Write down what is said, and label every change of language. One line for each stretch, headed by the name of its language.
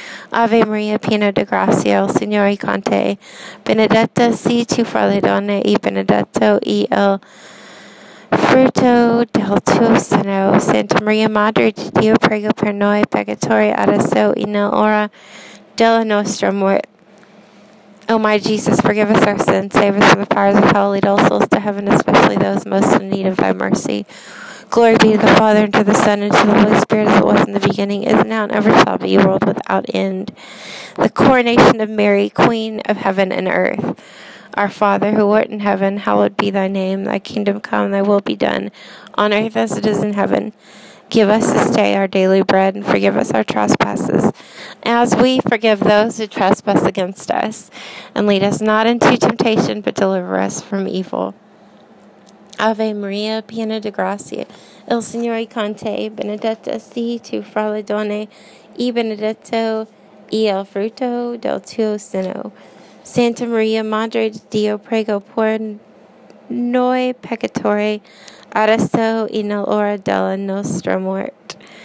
Italian: Ave Maria, piena di grazia, il Signore è con te. Benedetta sei tu fra le donne, e benedetto è il frutto del tuo seno. Santa Maria, Madre di Dio, prega per noi peccatori adesso e nell'ora della nostra morte.
English: O my Jesus, forgive us our sins, save us from the fires of hell, lead all souls to heaven, especially those most in need of thy mercy. Glory be to the Father, and to the Son, and to the Holy Spirit, as it was in the beginning, is now, and ever shall be, world without end. The coronation of Mary, Queen of heaven and earth. Our Father, who art in heaven, hallowed be thy name. Thy kingdom come, thy will be done, on earth as it is in heaven. Give us this day our daily bread, and forgive us our trespasses, as we forgive those who trespass against us. And lead us not into temptation, but deliver us from evil.
Italian: Ave Maria, piena di grazia, il Signore è con te. Benedetta sei tu fra le donne, e benedetto è il frutto del tuo seno. Santa Maria, Madre di Dio, prego per noi peccatori, adesso e nell'ora della nostra morte.